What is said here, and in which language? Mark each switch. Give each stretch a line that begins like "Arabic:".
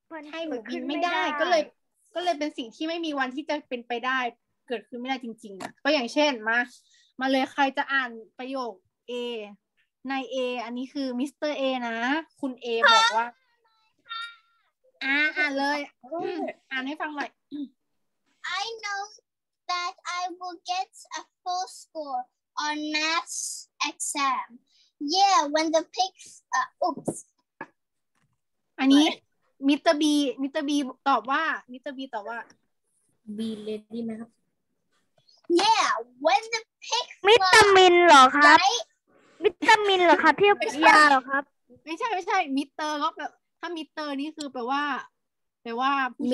Thai: ใช่หมูบินไม่ได้ก็เลยเป็นสิ่งที่ไม่มีวันที่จะเป็นไปได้เกิดขึ้นไม่ได้จริงๆอ่ะก็อย่างเช่นมาเลยใครจะอ่านประโยค A ใน A อันนี้คือมิสเตอร์ A นะคุณ A บอกว่าอ่านเลยอ่านให้ฟังหน่อย
English: I know that I will get a full score on math exam yeah when the pigs oops
Thai: อันนี้มิสเตอร์บีตอบว่ามิสเตอร์บีตอบว่า B ready ไหมครับ
English: Yeah when the pig
Thai: มิสเตอร์มินเหรอครับมิสเตอร์มินเหรอครับที่ปริญญาเหรอครับ ไม่ใช่มิสเตอร์ก็แบบถ้ามิสเตอร์นี่คือแปลว่าม